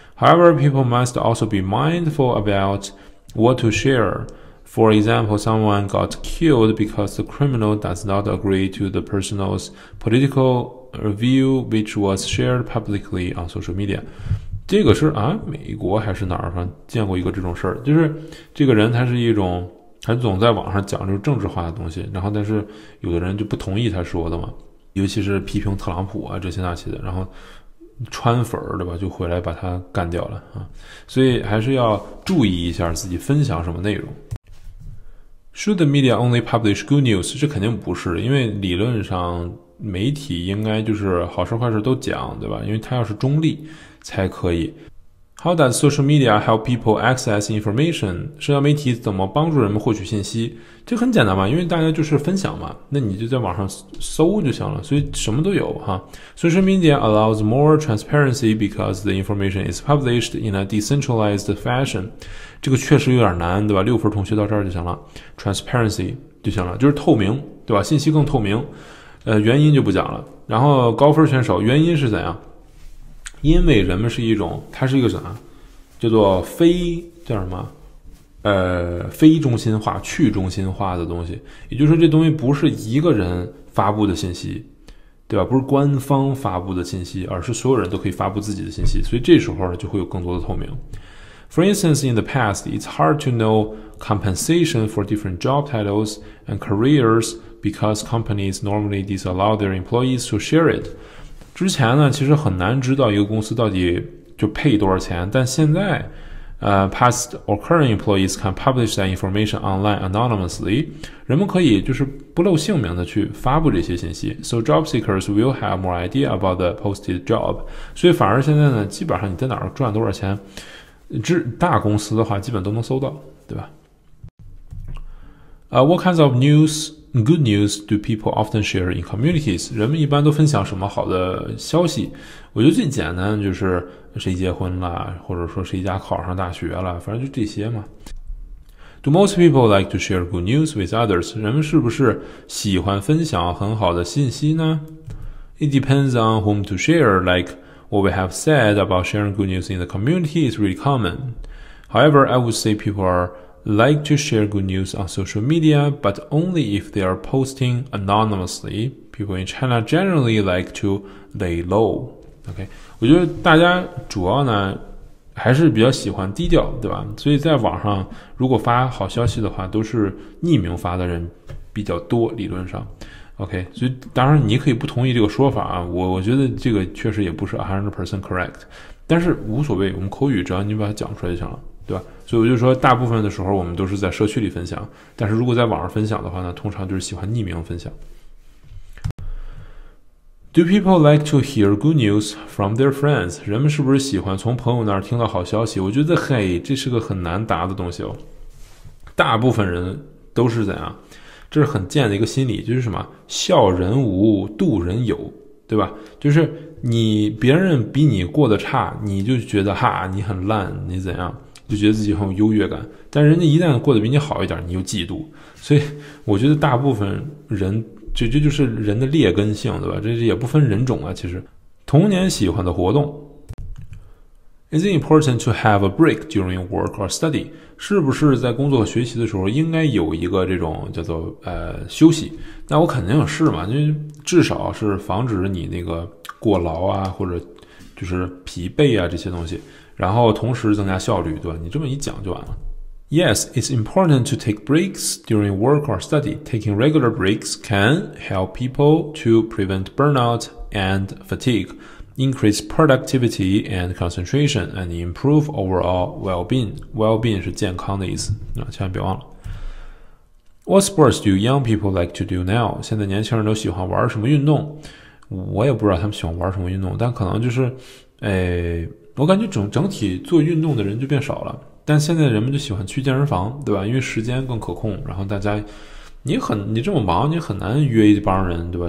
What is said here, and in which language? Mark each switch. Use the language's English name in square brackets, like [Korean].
[English] However, people must also be mindful about what to share. For example, someone got killed because the criminal does not agree to the person's political view, which was shared publicly on social media. [Chinese] 这个是啊，美国还是哪儿上见过一个这种事儿，就是这个人他是一种还总在网上讲这种政治化的东西，然后但是有的人就不同意他说的嘛，尤其是批评特朗普啊这些那些的，然后川粉儿对吧，就回来把他干掉了啊，所以还是要注意一下自己分享什么内容。 [English] Should the media only publish good news? [Chinese] 这肯定不是，因为理论上媒体应该就是好事坏事都讲，对吧？因为他要是中立才可以。 [English] How does social media help people access information? [Chinese] 社交媒体怎么帮助人们获取信息？这很简单嘛，因为大家就是分享嘛，那你就在网上搜就行了，所以什么都有哈。 [English] Social media allows more transparency because the information is published in a decentralized fashion. [Chinese] 这个确实有点难，对吧？六分同学到这儿就行了。Transparency 就行了，就是透明，对吧？信息更透明。原因就不讲了。然后高分选手，原因是怎样？因为人们是一种，它是一个什么，叫做非叫什么，非中心化、去中心化的东西。也就是说，这东西不是一个人发布的信息，对吧？不是官方发布的信息，而是所有人都可以发布自己的信息。所以这时候呢，就会有更多的透明。 [English] For instance, in the past, it's hard to know compensation for different job titles and careers because companies normally disallow their employees to share it. [Chinese] 之前呢，其实很难知道一个公司到底就配多少钱，但现在 [English] past or current employees can publish that information online anonymously. [Chinese] 人们可以就是不露姓名的去发布这些信息。 [English] So job seekers will have more idea about the posted job. [Chinese] 所以反而现在呢，基本上你在哪儿赚多少钱，这大公司的话基本都能搜到，对吧？ [English] What kinds of news, good news do people often share in communities? [Chinese] 人们一般都分享什么好的消息？我觉得最简单就是谁结婚了，或者说谁家考上大学了，反正就这些嘛。 [English] Do most people like to share good news with others? [Chinese] 人们是不是喜欢分享很好的信息呢？ [English] It depends on whom to share, like what we have said about sharing good news in the community is really common. However, I would say people are like to share good news on social media, but only if they are posting anonymously. People in China generally like to lay low. [Chinese] OK， 我觉得大家主要呢还是比较喜欢低调，对吧？所以在网上如果发好消息的话，都是匿名发的人比较多，理论上。 OK， 所以当然你可以不同意这个说法啊，我觉得这个确实也不是 100% correct， 但是无所谓，我们口语只要你把它讲出来就行了，对吧？所以我就说，大部分的时候我们都是在社区里分享，但是如果在网上分享的话呢，通常就是喜欢匿名分享。 [English] Do people like to hear good news from their friends? [Chinese] 人们是不是喜欢从朋友那儿听到好消息？我觉得，嘿，这是个很难答的东西哦。大部分人都是怎样？这是很贱的一个心理，就是什么？笑人无，度人有，对吧？就是你别人比你过得差，你就觉得哈，你很烂，你怎样？就觉得自己很有优越感。但人家一旦过得比你好一点，你就嫉妒。所以我觉得大部分人这就是人的劣根性，对吧？这也不分人种啊，其实。童年喜欢的活动。 [English] Is it important to have a break during work or study? [Chinese] 是不是在工作学习的时候应该有一个这种叫做休息？那我肯定是嘛，就至少是防止你那个过劳啊，或者就是疲惫啊这些东西，然后同时增加效率，对吧？你这么一讲就完了。 [English] Yes, it's important to take breaks during work or study. Taking regular breaks can help people to prevent burnout and fatigue, increase productivity and concentration, and improve overall well-being. [Chinese] Well-being 是健康的意思，千万别忘了。 [English] What sports do young people like to do now? [Chinese] 现在年轻人都喜欢玩什么运动？我也不知道他们喜欢玩什么运动，但可能就是，我感觉整体做运动的人就变少了。但现在人们就喜欢去健身房，对吧？因为时间更可控，然后大家你这么忙，你很难约一帮人，对吧？